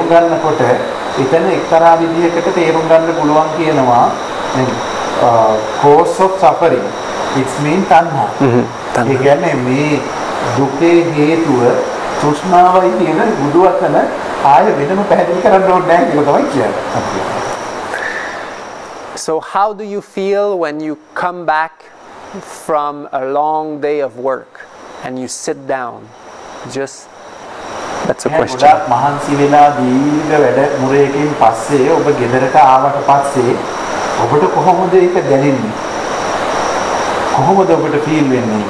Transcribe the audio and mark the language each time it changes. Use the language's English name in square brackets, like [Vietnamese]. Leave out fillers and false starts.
[Sinhala] එතන එක්තරා විදිහකට තේරුම් ගන්න පුළුවන් කියනවා මේ [English] cause of suffering it's mean tanha. [Sinhala] ඒ කියන්නේ මේ දුකේ හේතුව තෘෂ්ණාවයි කියන බුදු වචන ආය වෙනම පැහැදිලි කරන්න ඕනේ නැහැ කියලා තමයි කියන්නේ. [English] So how do you feel when you come back from a long day of work and you sit down just That's a question. [Sinhala] ගොඩක් මහන්සි වෙලා දීර්ඝ වැඩ මුරේකින් පස්සේ ඔබ ගෙදරට ආවට පස්සේ ඔබට කොහොමද ඒක දැනෙන්නේ? කොහොමද ඔබට feel වෙන්නේ?